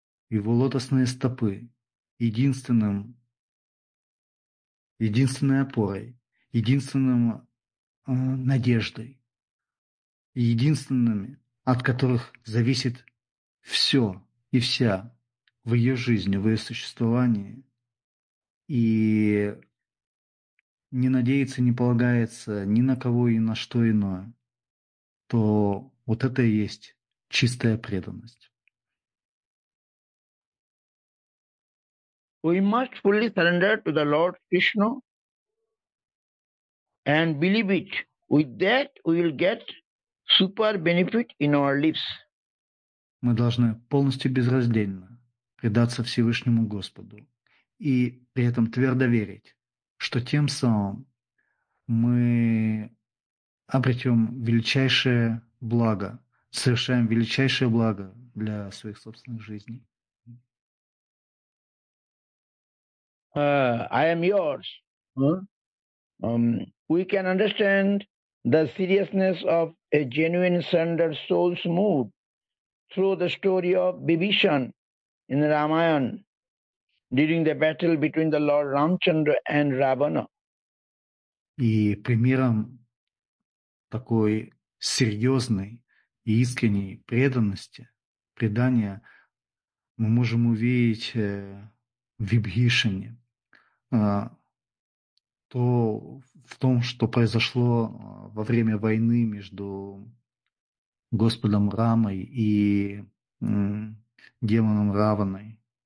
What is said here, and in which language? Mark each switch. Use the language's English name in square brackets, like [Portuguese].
[Russian] его лотосные стопы единственной опорой, единственным надеждой, единственными, от которых зависит все и вся в ее жизни, в ее существовании, и не надеется, не полагается ни на кого и на что иное, то вот это и есть чистая преданность. [English] We must fully surrender to the Lord Krishna and believe it. With that, we will get super benefit in our lives. [Russian] Мы должны полностью безраздельно предаться Всевышнему Господу и при этом твердо верить, что тем самым мы обретем величайшее благо, совершаем величайшее благо для своих собственных жизней. [English] I am yours. We can understand the seriousness of a genuine surrendered soul's mood through the story of Vibhishan in the Ramayana during the battle between the Lord Ramchandra and Ravana. [Russian] И примером такой серьезной и искренней преданности, предания, мы можем увидеть в Вибхишане. То в том, что произошло во время войны между Господом Рамой и демоном Раваной.